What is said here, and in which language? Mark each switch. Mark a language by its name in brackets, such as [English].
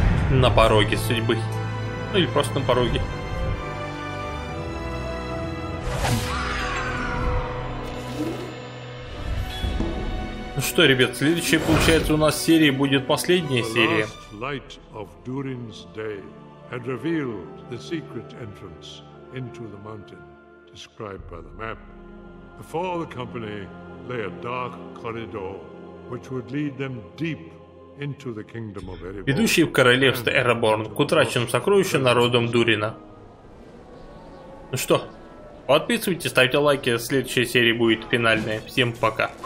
[Russian] На пороге судьбы. Ну или просто на пороге. Ну что, ребят, следующая, получается, у нас серия будет последняя серия. [English] Light of Durin's day had revealed the secret entrance into the mountain described by the map. Before the company lay a dark corridor which would lead them deep into the kingdom of Erebor. [Russian] Ведущий в королевство Эреборн к утраченным сокровищам народом Дурина. Ну что, подписывайтесь, ставьте лайки, следующая серия будет финальная. Всем пока.